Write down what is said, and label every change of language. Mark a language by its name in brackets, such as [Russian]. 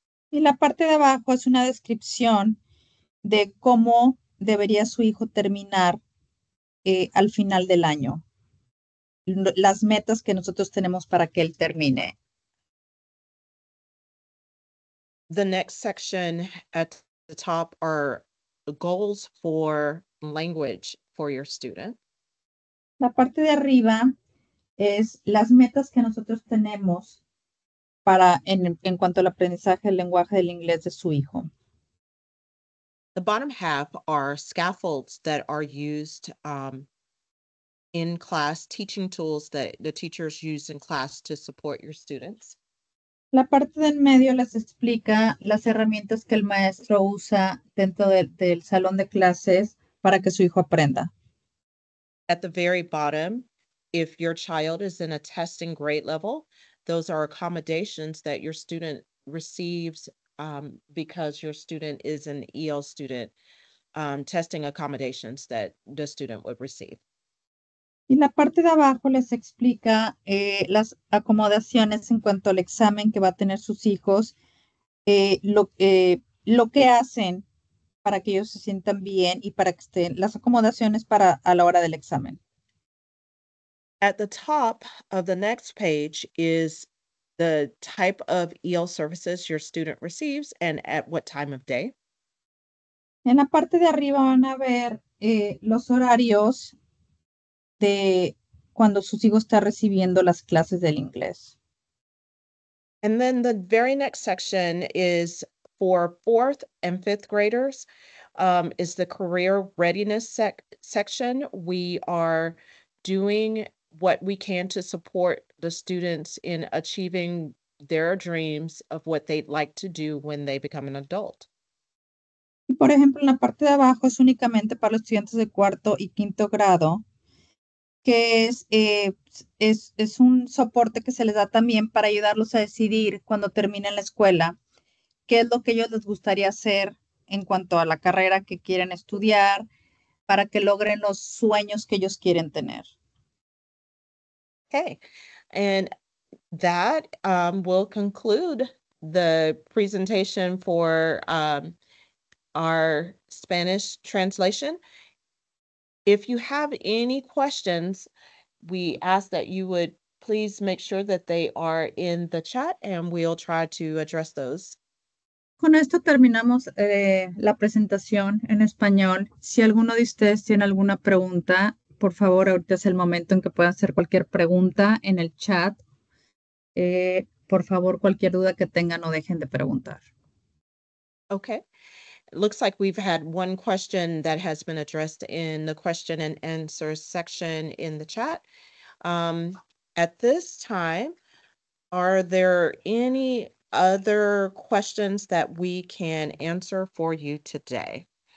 [Spanish] Y la parte de abajo es una descripción de cómo debería su hijo terminar al final del año. Las metas que nosotros tenemos para que él termine. [English] The next section at the top are goals for language for your student. [Spanish] La parte de arriba es las metas que nosotros tenemos para en cuanto al aprendizaje del lenguaje del inglés de su hijo. [English] The bottom half are scaffolds that are used in class, teaching tools that the teachers use in class to support your students. [Spanish] La parte del medio les explica las herramientas que el maestro usa dentro del salón de clases para que su hijo aprenda. [English] At the very bottom, if your child is in a testing grade level, those are accommodations that your student receives because your student is an EL student, testing accommodations that the student would receive. [Spanish] Y la parte de abajo les explica las acomodaciones en cuanto al examen que va a tener sus hijos, lo que hacen para que ellos se sientan bien y para que estén las acomodaciones para a la hora del examen. [English] At the top of the next page is the type of EL services your student receives and at what time of day. [Spanish] En la parte de arriba van a ver los horarios de cuando su hijo está recibiendo las clases del inglés. [English] And then the very next section is for fourth and fifth graders, is the career readiness section. We are doing what we can to support the students in achieving their dreams of what they'd like to do when they become an adult. [Spanish] Y por ejemplo, en la parte de abajo es únicamente para los estudiantes de cuarto y quinto grado, que es un soporte que se les da también para ayudarlos a decidir cuando terminen la escuela qué es lo que ellos les gustaría hacer en cuanto a la carrera que quieren estudiar para que logren los sueños que ellos quieren tener. [English] Okay, and that will conclude the presentation for our Spanish translation. If you have any questions, we ask that you would please make sure that they are in the chat and we'll try to address those. [Spanish] Con esto terminamos la presentación en español. Si alguno de ustedes tiene alguna pregunta, por favor, ahorita es el momento en que puedan hacer cualquier pregunta en el chat. Por favor, cualquier duda que tengan, no dejen de preguntar. [English] Okay. Looks like we've had one question that has been addressed in the question and answer section in the chat. At this time, are there any other questions that we can answer for you today?